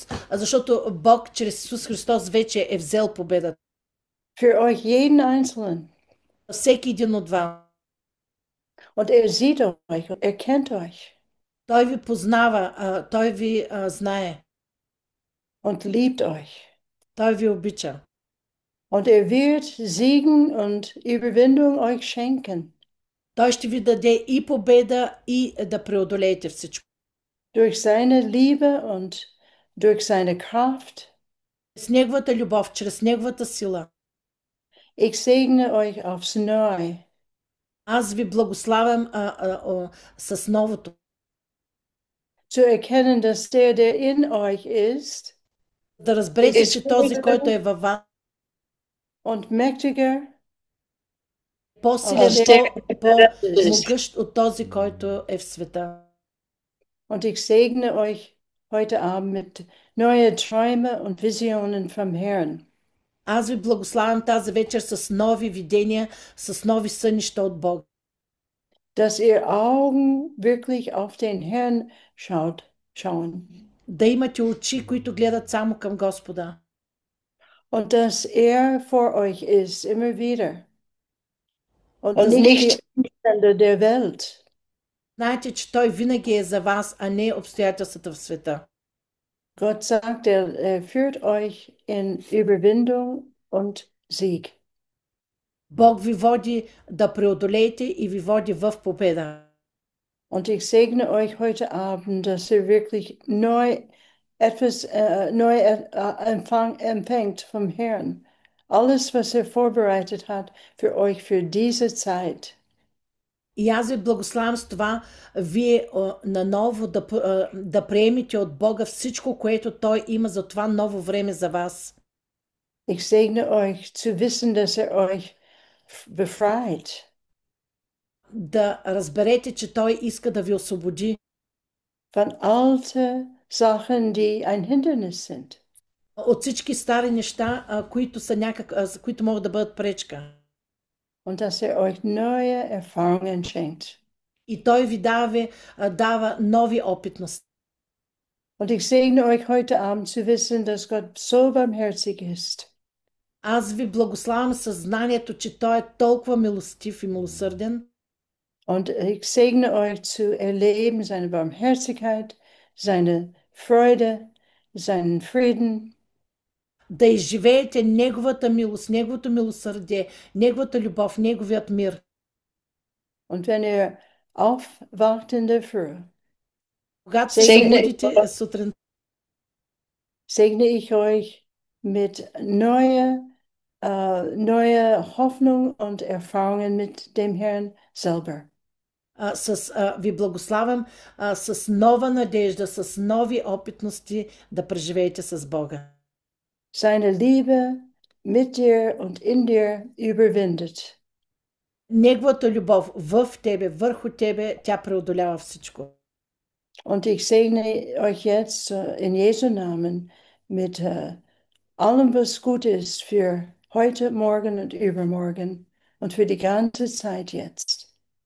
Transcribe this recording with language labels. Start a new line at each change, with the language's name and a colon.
Bulgarian: Защото Бог чрез Исус Христос вече е взел победата.
German: Für euch jeden Einzelnen.
Bulgarian: Всеки един от вас.
German: Und er sieht euch, er kennt euch.
Bulgarian: Той ви познава, той ви знае.
German: Und liebt euch.
Bulgarian: Той ви обича.
German: Und er wird Siegen und Überwindung euch schenken.
Bulgarian: Той ще ви даде и победа, и да преодолеете всичко.
German: Durch seine Liebe und durch seine Kraft.
Bulgarian: С неговата любов, чрез неговата сила.
German: Ich segne euch aufs Neue.
Bulgarian: Аз ви благославям с новото.
German: Zu erkennen, dass der, der in euch ist,
Bulgarian: Да разберете,
German: ist
Bulgarian: че този, който е
German: größer
Bulgarian: във вас,
German: und mächtiger
Bulgarian: по-силен,
German: als der, der in
Bulgarian: по-могъщ от този, който е в света.
German: Und ich segne euch heute Abend mit neuen Träumen und Visionen vom Herrn.
Bulgarian: Аз ви благославям тази вечер с нови видения, с нови сънища от Бог.
German: Dass ihr Augen wirklich auf den Herrn schaut, schauen.
Bulgarian: Да имате очи, които гледат само към Господа.
German: Und dass er vor euch ist, immer wieder. Und Und nicht nicht... die der Welt.
Bulgarian: Знаете, че Той винаги е за вас, а не обстоятелствата в света.
German: Gott sagt, er führt euch in Überwindung und Sieg.
Bulgarian: Бог ви води да преодолеете и ви води в победа.
German: Und ich segne euch heute Abend, dass ihr wirklich neu etwas neu empfängt vom Herrn. Alles, was er vorbereitet hat für euch für diese Zeit.
Bulgarian: И аз ви благославям с това, вие наново да приемете от Бога всичко, което Той има за това ново време за вас.
German: Ich segne euch zu wissen, dass er euch befreit.
Bulgarian: Да разберете, че Той иска да ви освободи
German: Von alte Sachen, die ein Hindernis sind.
Bulgarian: от всички стари неща, които са някак, които могат да бъдат пречка.
German: Und dass er euch neue Erfahrungen schenkt.
Bulgarian: И Той ви дава нови опитности.
German: Und ich segne euch heute Abend zu wissen, dass Gott so barmherzig ist.
Bulgarian: Аз ви благославям със знанието, че Той е толкова милостив и милосърден.
German: Und ich segne euch zu erleben seine Barmherzigkeit, seine Freude, seinen Frieden.
Bulgarian: Да изживеете неговата милост, неговото милосърдие, неговата любов, неговият мир.
German: Und wenn ihr aufwacht in der Früh,
Bulgarian: Когато се събудите сутрин,
German: segne ich euch mit neue neue Hoffnung und Erfahrungen mit dem Herrn selber.
Bulgarian: Ви благославям с нова надежда, с нови опитности да преживеете с Бога.
German: Seine Liebe mit dir und in dir überwindet.
Bulgarian: Неговата любов в тебе, върху тебе, тя преодолява всичко.
German: Und ich segne euch jetzt in Jesu Namen mit allem, was gut ist für heute, morgen und übermorgen und für die ganze Zeit jetzt.